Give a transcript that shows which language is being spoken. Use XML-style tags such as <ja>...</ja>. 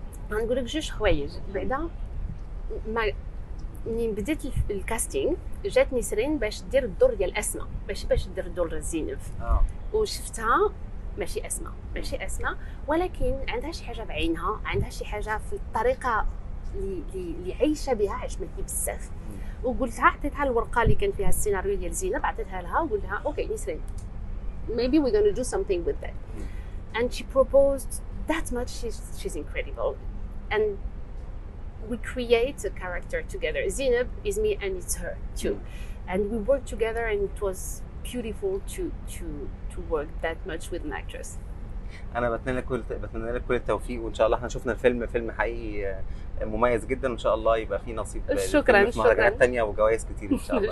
<ar>هنقول لك جوج حوايج بعدا ملي بديت الكاستينغ جات نسرين باش دير الدور ديال اسماء باش دير الدور زينب وشفتها ماشي اسماء ماشي اسماء ولكن عندها شي حاجه بعينها عندها شي حاجه في الطريقه اللي عايشه بها عجبتني بزاف وقلتها عطيتها الورقه اللي كان فيها السيناريو ديال زينب عطيتها لها وقلت لها اوكي نسرين</ar> <en>maybe we're going to do something with that and she proposed that much she's incredible and we create a character together. Zineb is me and it's her too. And we worked together and it was beautiful to work that much with an actress.</en> <ar>انا بتمنى لك كل التوفيق وان شاء الله احنا شفنا الفيلم حقيقي مميز جدا وان شاء الله يبقى فيه نصيب شكرا في مهرجانات تانية وجوائز كتير ان شاء الله.</ar>